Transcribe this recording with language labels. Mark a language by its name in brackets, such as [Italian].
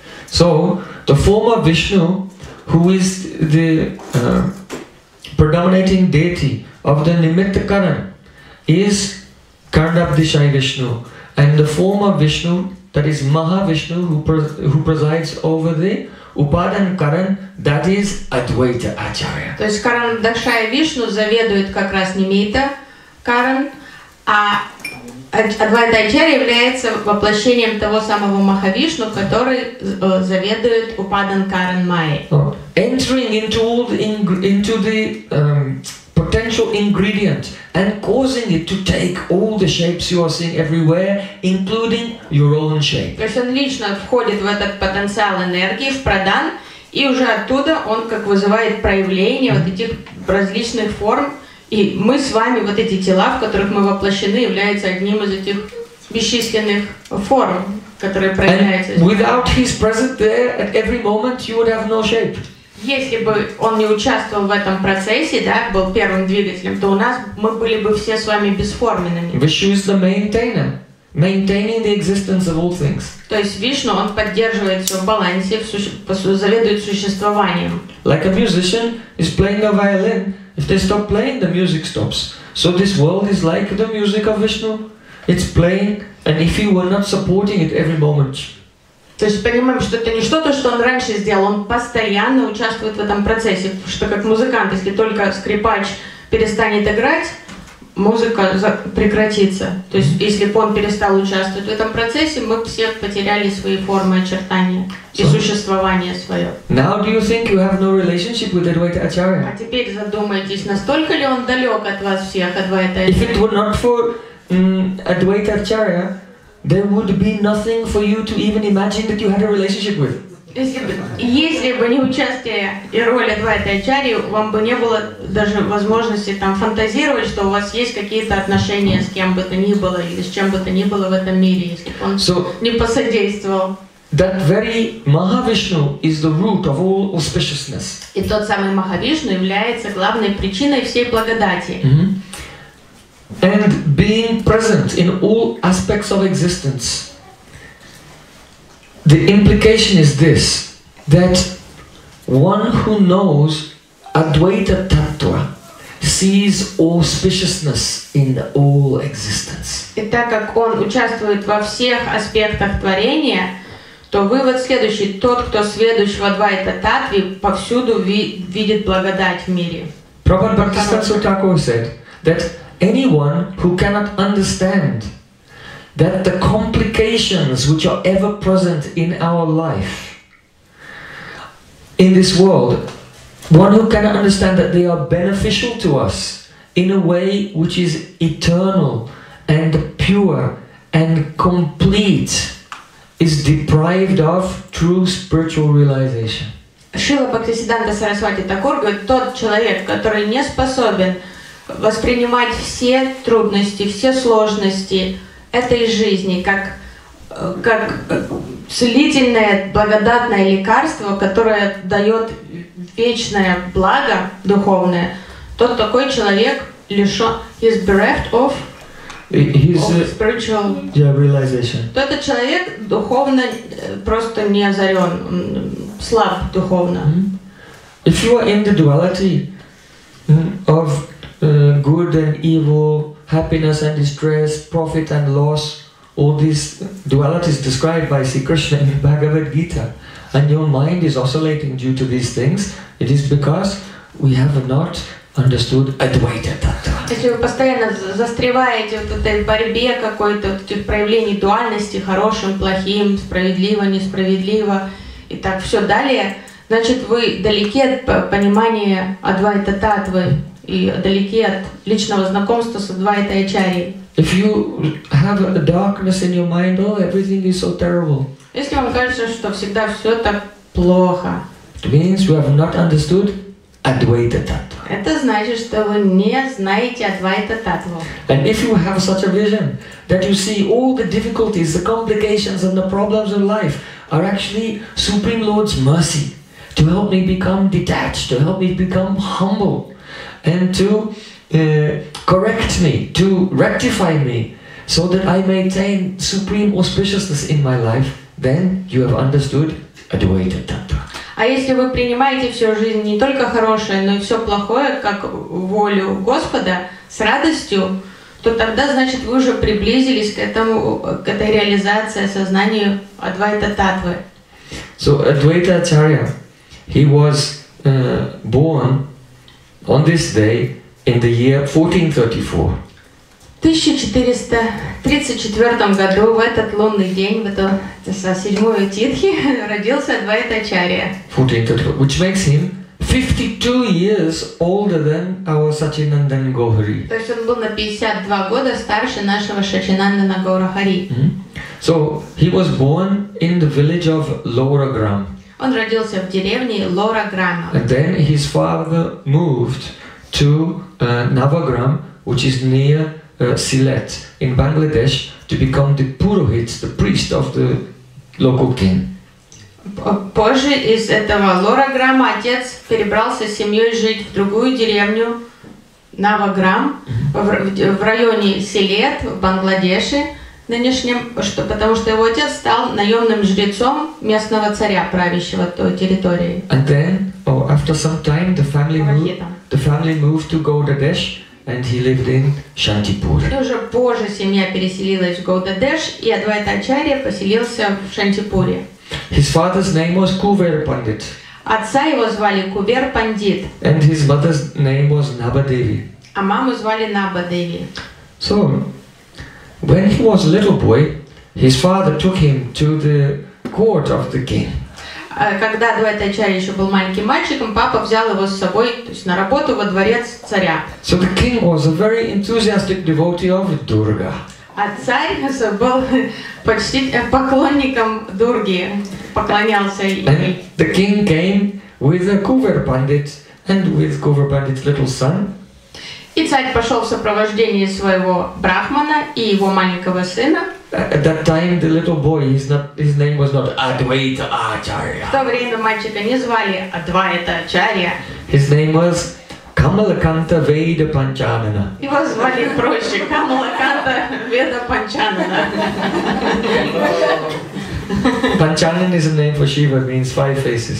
[English] So, the form of Vishnu, who is the predominating deity of the Nimitta Karan, is Karnabdishai Vishnu. And the form of Vishnu, that is Mahavishnu, who presides over the Upadan Karan, that is Advaita Acharya. [Russian] То есть Карнабдашай Вишну заведует как раз Нимитта Каран, а Адвайта Ачарья является воплощением того самого Махавишну, который заведует Упадан Каран Майи. [English] Entering into the potential ingredient and causing it to take all the shapes you are seeing everywhere, including your own shape. [Russian] То есть он лично входит в этот потенциал энергии, в Pradhan, и уже оттуда он как вызывает проявление вот этих различных форм, и мы с вами, вот эти тела, в которых мы воплощены, являются одним из этих бесчисленных форм, которые проявляются. [English] And without his presence there, at every moment, you would have no shape. [Russian] Если бы он не участвовал в этом процессе, да, был первым двигателем, то у нас мы были бы все с вами бесформенными. [English] Vishnu is the maintainer, maintaining the existence of all things. [Russian] То есть Вишну, он поддерживает все в балансе, заведует существованием. [English] Like a musician is playing a violin, if they stop playing, the music stops. So this world is like the music of Vishnu. It's playing, and if you were not supporting it every moment. [Russian] То есть понимаем, что это не что-то, что он раньше сделал, он постоянно участвует в этом процессе, что как музыкант, если только скрипач перестанет играть, музыка прекратится. То есть если бы он перестал участвовать в этом процессе, мы бы все потеряли свои формы, очертания и существование свое. [English] Now do you think you have no relationship with Advaita Acharya? [Russian] А теперь задумайтесь, настолько ли он далек от вас всех, Advaita Acharya? [English] If it were not for Advaita Acharya, there would be nothing for you to even imagine that you had a relationship with. [Russian] Если бы не участие и роль Адвайты Ачарьи, вам бы не было даже возможности там фантазировать, что у вас есть какие-то отношения с кем бы то ни было или с чем бы то ни было в этом мире, если бы он не посодействовал. [English] That very Mahavishnu is the root of all auspiciousness. [Russian] И тот самый Махавишну является главной причиной всей благодати. Mm-hmm. [English] And being present in all aspects of existence. The implication is this, that one who knows Advaita Tattva sees auspiciousness in all existence. [Russian] И так как он участвует во всех аспектах творения, то вывод следующий: тот, кто сведущ в Адвайта Таттве, повсюду видит благодать в мире. [English] Prabhupada Bhaktisiddhanta Thakur said that anyone who cannot understand that the complications which are ever present in our life, in this world, one who cannot understand that they are beneficial to us in a way which is eternal and pure and complete, is deprived of true spiritual realization. [Russian] Шрила Бхактисиддханта Сарасвати Такур говорит, тот человек, который не способен воспринимать все трудности, все сложности этой жизни как целительное, благодатное лекарство, которое дает вечное благо духовное, тот такой человек [English] is bereft of spiritual realization. [Russian] То этот человек духовно просто не озарен, слаб духовно. Mm-hmm. [English] If you are in the duality of good and evil, happiness and distress, profit and loss, all these dualities described by Sri Krishna in the Bhagavad Gita, and your mind is oscillating due to these things, it is because we have not understood Advaita Tattva. [Russian] Если вы постоянно застреваете вот в этой борьбе какой-то, вот этих проявлений дуальности, хорошим, плохим, справедливо, несправедливо, и так все далее, значит, вы далеки от понимания Адвайта Таттвы и далеки от личного знакомства с Адвайтой Ачарьей. [English] If you have a darkness in your mind, oh, everything is so terrible. [Russian] Если вам кажется, что всегда все так плохо, [English] it means you have not understood Advaita Tattva. [Russian] Это значит, что вы не знаете Адвайта Таттву. [English] And if you have such a vision that you see all the difficulties, the complications, and the problems of life are actually Supreme Lord's mercy to help me become detached, to help me become humble, and to correct me, to rectify me, so that I maintain supreme auspiciousness in my life, then you have understood Advaita Tattva. [Russian] А если вы принимаете всю жизнь не только хорошее, но и все плохое, как волю Господа, с радостью, то тогда, значит, вы уже приблизились к этому, к этой реализации сознания Адвайта Таттвы. [English] So Advaita Acharya, he was born on this day in the year 1434. [Russian] 1434 году, в этот лунный день, в эту 7-ю титхи, родился Адвайта Ачарья. [English] 1434, which makes him 52 years older than our Сачинандан Гохари. [Russian] То есть он был на 52 года старше нашего Сачинандана Гохари. [English] So he was born in the village of Лорограм. [Russian] Он родился в деревне Лорограма. [English] And then his father moved to Navagram, which is near Sylhet in Bangladesh, to become the Purohit, the priest of the local king. [Russian] Позже из этого Лорограма отец перебрался с семьей жить в другую деревню Навограм, в районе Силет в Бангладеше нынешнем, потому что его отец стал наемным жрецом местного царя, правящего той территории. [English] And then, after some time, the family moved to Gaudadesh, and he lived in Shantipur. [Russian] И уже позже семья переселилась в Гаудадеш, и Адвайта Ачарья поселился в Шантипуре. [English] His father's name was Kuver Pandit. [Russian] Отца его звали Кувер Пандит. [English] And his mother's name was Nabadevi. [Russian] А маму звали Набадеви. [English] So, when he was a little boy, his father took him to the court of the king. [Russian] Когда Адвайта Ачарья еще был маленьким мальчиком, папа взял его с собой, то есть на работу во дворец царя. [English] So the king was a very enthusiastic devotee of Durga. [Russian] А царь был почти поклонником Дурги, поклонялся ей. [English] And the king came with a Kuver Pandit and with Kuver Pandit's little son. [Russian] И царь пошел в сопровождении своего брахмана и его маленького сына. [English] At that time, the little boy, his name was not Advaita Acharya. [Russian] В то время мальчика не звали Адвайта Ачарья. [English] His name was Камалаканта Веда Панчанана. [Russian] Его звали проще Камалаканта Веда Панчанана. [English] Panchanan is a name for Shiva, means five faces.